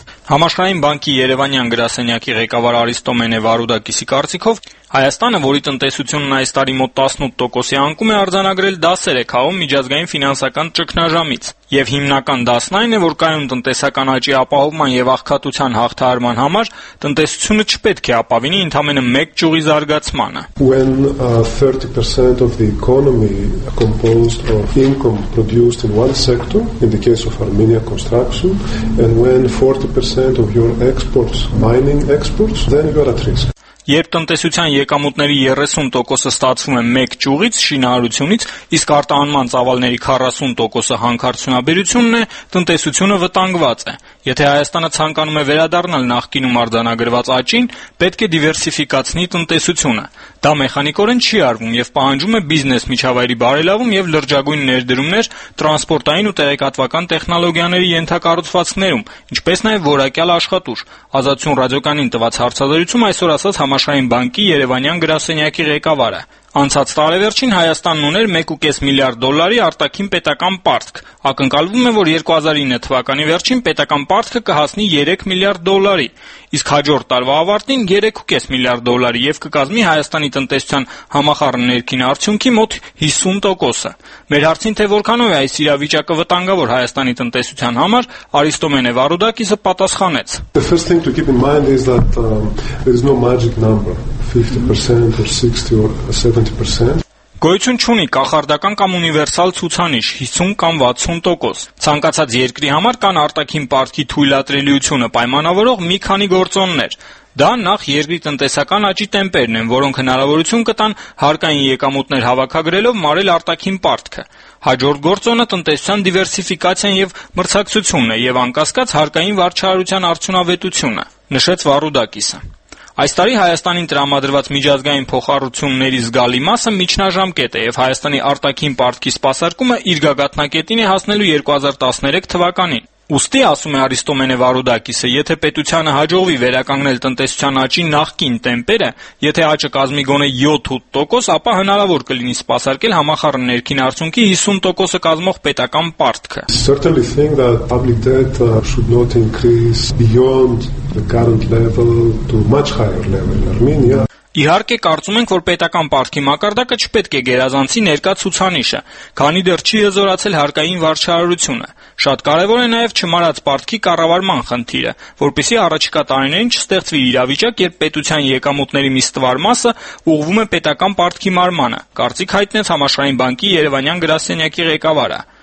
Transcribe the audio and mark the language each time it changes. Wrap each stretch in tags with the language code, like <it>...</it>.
<hy>Համաշխարհային բանկի Երևանյան գրասենյակի ղեկավար Արիստոմենե Վարուդակիսի կարծիքով Հայաստանը, որի տնտեսությունն այս տարի մոտ 18% անկում է արձանագրել 10-ը քաղում միջազգային ֆինանսական ճգնաժամից։ Եվ հիմնական դասն այն է, որ կայուն տնտեսական աճի ապահովման եւ աղքատության հաղթահարման համար տնտեսությունը չպետք է ապավինի ընդամենը 1 ճյուղի զարգացմանը։</hy> <en>When 30% of the economy composed of income produced in one sector, in the case of Armenia construction, and when 40% of your exports, mining exports, then you are at risk.</en> <hy>Երբ տնտեսության եկամուտների 30%-ը ստացվում է 1 ճյուղից, շինարարությունից, իսկ արտահանման ծավալների 40%-ը հանքարդյունաբերությունն է, տնտեսությունը վտանգված է։ Եթե Հայաստանը ցանկանում է վերադառնալ նախկինում արձանագրված աճին, պետք է դիվերսիֆիկացնի տնտեսությունը։ Դա մեխանիկորեն չի արվում եւ պահանջում է բիզնես միջավայրի բարելավում եւ լրջագույն ներդրումներ տրանսպորտային ու տեղեկատվական տեխնոլոգիաների ենթակառուցվածքներում, ինչպես նաեւ որակյալ աշխատուժ։ Ազատություն ռադիոկանին տված հարցազրույցում այսօր ասաց Համաշխարհային բանկի Երևանյան գրասենյակի ղեկավարը. Անցած տարեվերջին Հայաստանն ուներ 1.5 միլիարդ դոլարի արտաքին պետական պարտք։ Ակնկալվում է, որ 2009 թվականի վերջին պետական պարտքը կհասնի 3 միլիարդ դոլարի, իսկ հաջորդ տարվա ավարտին 3.5 միլիարդ դոլարի եւ կկազմի Հայաստանի տնտեսության համախառն ներքին արդյունքի մոտ 50%-ը։ Մեր հարցին, թե որքանով է այս իրավիճակը վտանգավոր Հայաստանի տնտեսության համար, Արիստոմենե Վարուդակիսը պատասխանեց.</hy> <en>The first thing to keep in mind is that there is no magic number. 50% or 60% or 70%.</en> <hy>Գոյություն չունի կախարդական կամ ունիվերսալ ցուցանիշ 50 կամ 60%։ Ցանկացած երկրի համար կան արտաքին պարտքի թույլատրելիությունը պայմանավորող մի քանի գործոններ։ Դա նախ երկրի տնտեսական աճի տեմպերն են, որոնք հնարավորություն կտան հարկային եկամուտներ հավաքագրելով մարել արտաքին պարտքը։ Հաջորդ գործոնը տնտեսության դիվերսիֆիկացիան եւ մրցակցությունն է եւ անկասկած հարկային վարչարարության արդյունավետությունը, նշեց Վարուդակիսը։ Այս տարի Հայաստանին տրամադրված միջազգային փոխառությունների զգալի մասը միջնաժամկետ է եւ Հայաստանի արտաքին պարտքի սպասարկումը իր գագաթնակետին է հասնելու 2013 թվականին։ Ուստի, ասում է Արիստոմենե Վարուդակիսը, եթե պետությանը հաջողվի վերականգնել տնտեսության աճի նախկին տեմպերը, եթե աճը կազմի գոնե 7-8%, ապա հնարավոր կլինի սպասարկել համախառն ներքին արդյունքի 50%-ը կազմող պետական պարտքը։</hy> <en>Certainly think that public debt should not increase beyond the current level to much higher level. I mean, yeah.</en> <hy>Իհարկե կարծում ենք, որ պետական պարտքի մակարդակը չպետք է գերազանցի ներկա ցուցանիշը, քանի դեռ չի հզորացել հարկային վարչարարությունը։ Շատ կարևոր է նաև չմարած պարտքի կառավարման խնդիրը, որպեսզի առաջիկա տարիներին չստեղծվի իրավիճակ, երբ պետության եկամուտների մի ստվար մասը ուղղվում է պետական պարտքի մարմանը, կարծիք հայտնեց Համաշխարհային բանկի Երևանյան գրասենյակի ղեկավարը։</hy>